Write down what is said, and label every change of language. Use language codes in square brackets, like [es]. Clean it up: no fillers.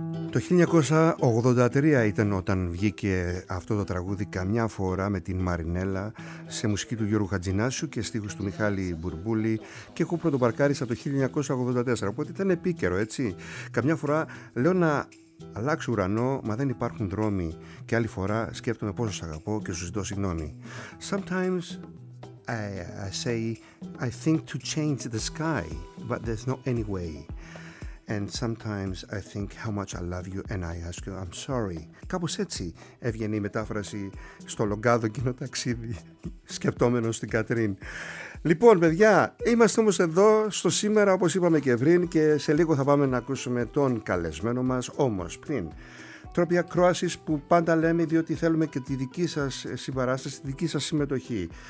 [el] Το 1983 ήταν όταν βγήκε αυτό το τραγούδι καμιά φορά με την Μαρινέλα σε μουσική του Γιώργου Χατζινάσου και στίχους του Μιχάλη Μπουρμπούλη και έχω πρωτοπαρκάρισα το 1984, οπότε ήταν επίκαιρο, έτσι. Καμιά φορά λέω να αλλάξω ουρανό, μα δεν υπάρχουν δρόμοι και άλλη φορά σκέφτομαι πόσο σ' αγαπώ και σου ζητώ συγγνώμη. [en] Sometimes I say I think to change the sky, but there's no any way. And sometimes I think how much I love you and I ask you, I'm sorry. [el] Κάπως έτσι έβγαινε η μετάφραση στο Λογκάδο κοινό ταξίδι, σκεπτόμενο στην Κατρίν. Λοιπόν, παιδιά, είμαστε όμως εδώ στο σήμερα, όπως είπαμε και πριν, και σε λίγο θα πάμε να ακούσουμε τον καλεσμένο μας, όμως πριν. Τρόποι ακρόασης που πάντα λέμε, διότι θέλουμε και τη δική σας συμπαράσταση, τη δική σας συμμετοχή.